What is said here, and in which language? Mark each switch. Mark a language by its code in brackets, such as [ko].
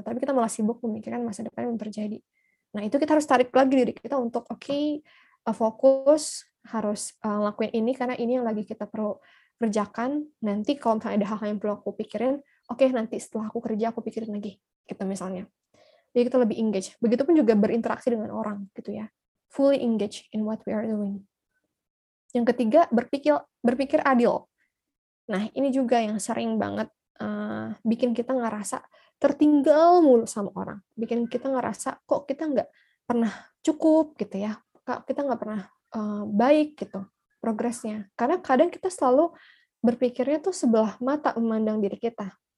[id] Tapi kita malah sibuk memikirkan masa depan yang belum terjadi. Nah itu kita harus tarik lagi diri kita untuk okay, fokus, harus lakuin ini karena ini yang lagi kita perlu kerjakan. Nanti kalau misalnya ada hal-hal yang perlu aku pikirin, okay, nanti setelah aku kerja aku pikirin lagi gitu misalnya. Jadi kita lebih engage. Begitupun juga berinteraksi dengan orang, gitu ya. [en] Fully engage in what we are doing. [id] Yang ketiga, berpikir adil. Nah, ini juga yang sering banget bikin kita ngerasa tertinggal mulu sama orang. Bikin kita ngerasa kok kita nggak pernah cukup, gitu ya. Kok kita nggak pernah baik, gitu, progresnya. Karena kadang kita selalu berpikirnya tuh sebelah mata memandang diri kita.